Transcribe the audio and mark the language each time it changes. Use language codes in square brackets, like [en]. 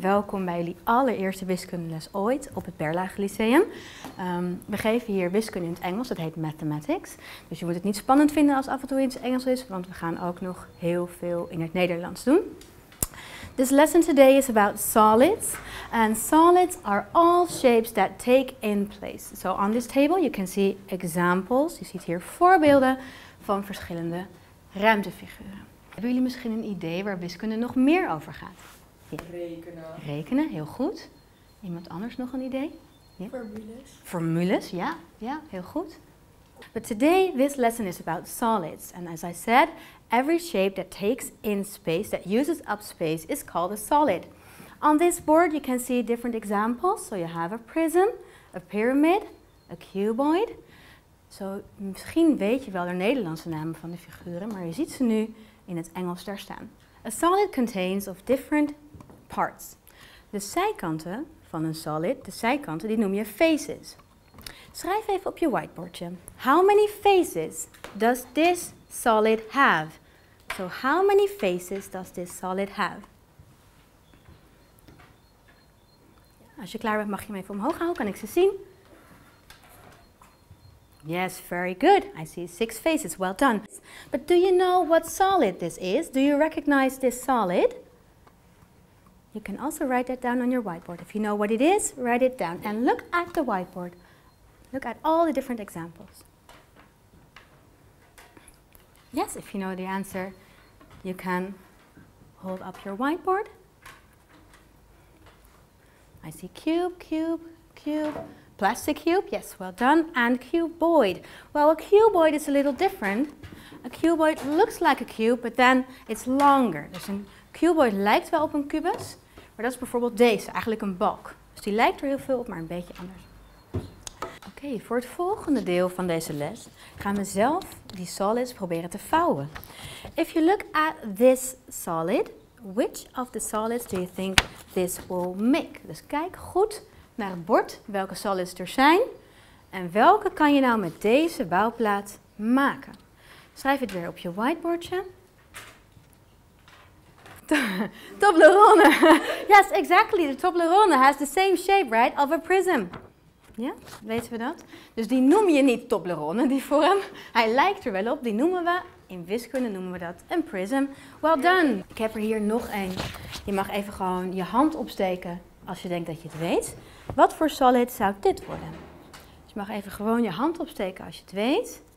[nl] Welkom bij jullie allereerste wiskundeles ooit op het Berlage Lyceum. We geven hier wiskunde in het Engels, dat heet Mathematics. Dus je moet het niet spannend vinden als af en toe in het Engels is, want we gaan ook nog heel veel in het Nederlands doen. [en] This lesson today is about solids. And solids are all shapes that take in place. So on this table you can see examples. [nl] Je ziet hier voorbeelden van verschillende ruimtefiguren. Hebben jullie misschien een idee waar wiskunde nog meer over gaat? Ja. Rekenen. Rekenen, heel goed. Iemand anders nog een idee? Ja. Formules. Formules, ja. Ja, heel goed. [en] But today, this lesson is about solids. And as I said, every shape that takes in space, that uses up space, is called a solid. On this board, you can see different examples. So you have a prism, a pyramid, a cuboid. [nl] So, misschien weet je wel de Nederlandse namen van de figuren, maar je ziet ze nu in het Engels daar staan. [en] A solid contains of different parts. [nl] De zijkanten van een solid, de zijkanten, die noem je faces. Schrijf even op je whiteboardje. [en] How many faces does this solid have? So how many faces does this solid have? [nl] Als je klaar bent, mag je hem even omhoog houden, kan ik ze zien. [en] Yes, very good. I see six faces. Well done. But do you know what solid this is? Do you recognize this solid? You can also write that down on your whiteboard. If you know what it is, write it down. And look at the whiteboard. Look at all the different examples. Yes, if you know the answer, you can hold up your whiteboard. I see cube, cube, cube. Plastic cube, yes, well done. And cuboid. Well, a cuboid is a little different. A cuboid looks like a cube, but then it's longer. [nl] Dus een cuboid lijkt wel op een kubus, maar dat is bijvoorbeeld deze, eigenlijk een balk. Dus die lijkt er heel veel op, maar een beetje anders. Oké, voor het volgende deel van deze les gaan we zelf die solids proberen te vouwen. [en] If you look at this solid, which of the solids do you think this will make? [nl] Dus kijk goed naar het bord, welke solids er zijn. En welke kan je nou met deze bouwplaat maken? Schrijf het weer op je whiteboardje. [en] Toblerone! Yes, exactly. De Toblerone has the same shape, right, of a prism. [nl] Ja, weten we dat? Dus die noem je niet Toblerone, die vorm. Hij lijkt er wel op, die noemen we, in wiskunde noemen we dat een prism. [en] Well done! [nl] Ik heb er hier nog één. Je mag even gewoon je hand opsteken. Als je denkt dat je het weet, wat voor solid zou dit worden? Dus je mag even gewoon je hand opsteken als je het weet.